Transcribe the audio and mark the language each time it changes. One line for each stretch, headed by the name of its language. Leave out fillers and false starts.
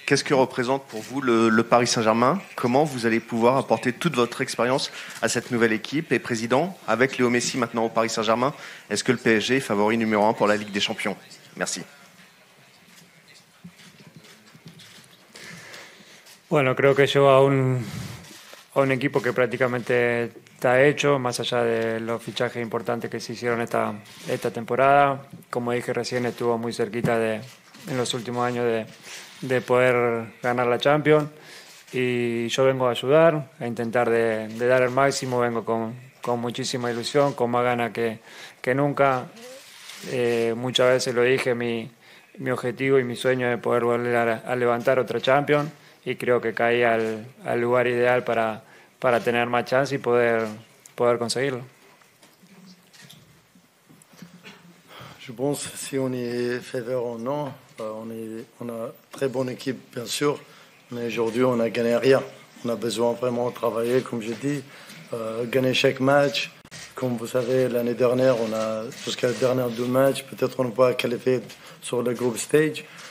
French: Qu'est-ce que représente pour vous le Paris Saint-Germain? Comment vous allez pouvoir apporter toute votre expérience à cette nouvelle équipe? Et président, avec Léo Messi maintenant au Paris Saint-Germain, est-ce que le PSG est favori numéro 1 pour la Ligue des Champions? Merci.
Spanish: Bueno, creo que llevo a un equipo que prácticamente está hecho, más allá de los fichajes importantes que se hicieron esta temporada. Como dije recién, estuvo muy cerquita en los últimos años de poder ganar la Champions. Y yo vengo a ayudar, a intentar de dar el máximo. Vengo con muchísima ilusión, con más ganas que nunca. Muchas veces lo dije, mi objetivo y mi sueño es poder volver a levantar otra Champions. Y creo que caí al lugar ideal para tener más chance y poder conseguirlo.
French: Je pense si on est favori ou non, on a très bonne équipe bien sûr, mais aujourd'hui on a gagné rien. On a besoin vraiment de travailler, comme j'ai dit, gagner chaque match. Comme vous savez, l'année dernière on a jusqu'à la dernière deux matchs, peut-être on ne peut pas qualifier sur le group stage.